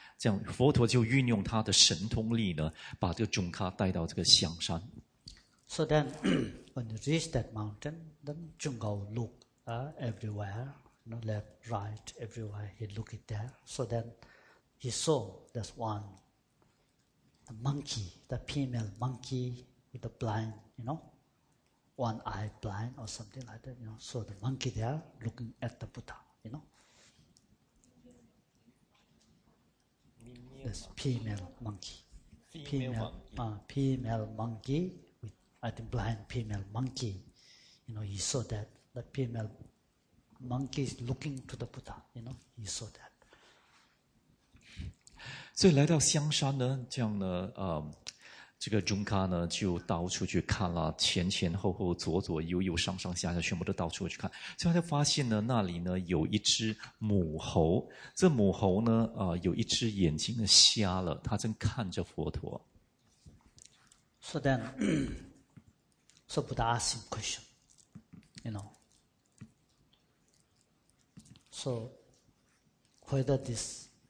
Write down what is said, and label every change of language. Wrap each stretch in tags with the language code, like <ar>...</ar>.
<zh>这样佛陀就运用他的神通力呢，把这个中卡带到这个香山。</zh> <en>So then, when you reach that mountain, then Junggao look everywhere, you know, left, right, everywhere. He look it there. So then, he saw there's one. The monkey, the female monkey with the blind, you know, one eye blind or something like that, you know. So the monkey there looking at the Buddha, you know. This female monkey with, I think, blind female monkey, you know, he saw that. The female monkey is looking to the Buddha, you know, he saw that.</en> <zh>所以来到香山呢，这样呢，这个中卡呢就到处去看了，前前后后、左左右右、上上下下，全部都到处去看。最后他发现呢，那里呢有一只母猴，这母猴呢，有一只眼睛瞎了，他正看着佛陀。</zh> <en>So then, so Buddha asked him question, you know. So, whether this.</en>